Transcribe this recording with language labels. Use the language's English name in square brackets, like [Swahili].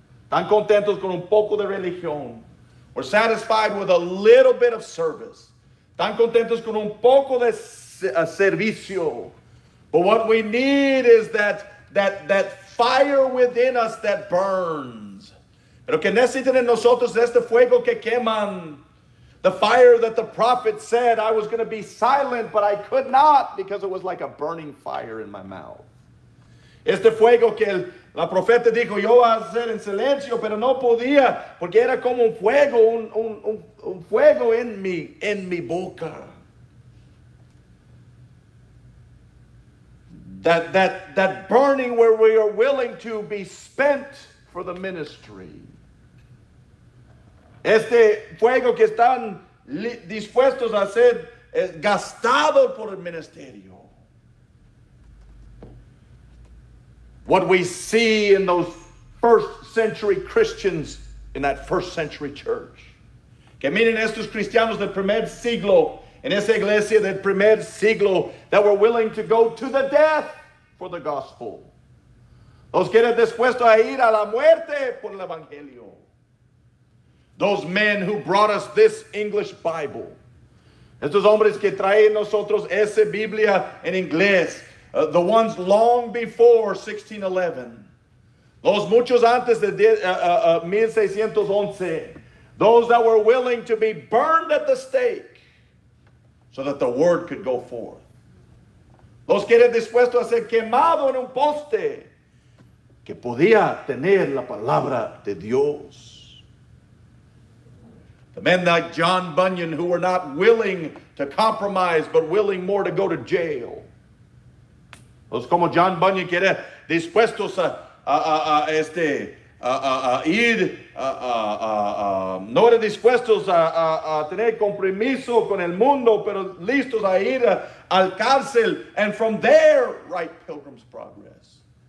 [Spanish] Tan contentos con un poco de religión. [English] We're satisfied with a little bit of service. [Spanish] Tan contentos con un poco de servicio. [English] But what we need is that fire within us that burns. [Spanish] Pero que necesitan en nosotros es este fuego que queman. [English] The fire that the prophet said I was going to be silent, but I could not because it was like a burning fire in my mouth. [Spanish] Este fuego que la profeta dijo, yo voy a hacer en silencio, pero no podía porque era como un fuego, un fuego en mi boca. [English] That burning where we are willing to be spent for the ministry. [Spanish] Este fuego que están dispuestos a ser gastado por el ministerio. [English] What we see in those first century Christians in that first century church. [Spanish] Que miren estos cristianos del primer siglo, en esa iglesia del primer siglo, [English] that were willing to go to the death for the gospel. [Spanish] Los que eran dispuestos a ir a la muerte por el evangelio. [English] Those men who brought us this English Bible. [Spanish] Estos hombres que traen nosotros esa Biblia en inglés. [English] The ones long before 1611. [Spanish] Los muchos antes de 1611. [English] Those that were willing to be burned at the stake so that the word could go forth. [Spanish] Los que eran dispuestos a ser quemados en un poste que podía tener la palabra de Dios. [English] The men like John Bunyan who were not willing to compromise, but willing more to go to jail. [Spanish] Los como John Bunyan que era dispuestos no era dispuestos a tener compromiso con el mundo, pero listos a ir al cárcel, [English] and from there write Pilgrim's Progress.